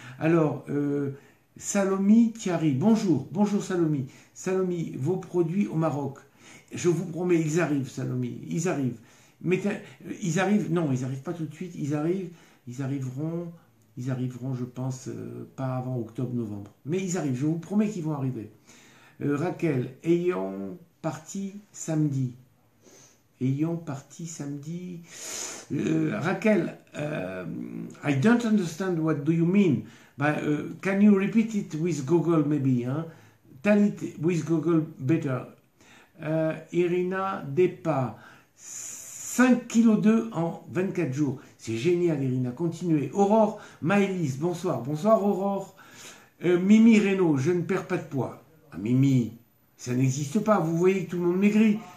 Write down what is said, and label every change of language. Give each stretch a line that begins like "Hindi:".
French: Alors, Salomi Thierry, bonjour Salomi. Salomi, vos produits au Maroc, je vous promets, ils arrivent, Salomi, ils arrivent. Ils arriveront, je pense, pas avant octobre, novembre. Mais ils arrivent, je vous promets qu'ils vont arriver.
English: Raquel,
French: ayant parti samedi,
English: I don't understand what do you mean, but can you repeat it with Google maybe, hein? Tell it with Google better.
French: Irina Depa, 5,2 kg en 24 jours, c'est génial Irina, continuez. Aurore Maëlys, bonsoir Aurore. Mimi Reynaud, je ne perds pas de poids. Ah, Mimi, ça n'existe pas. Vous voyez que tout le monde maigrit.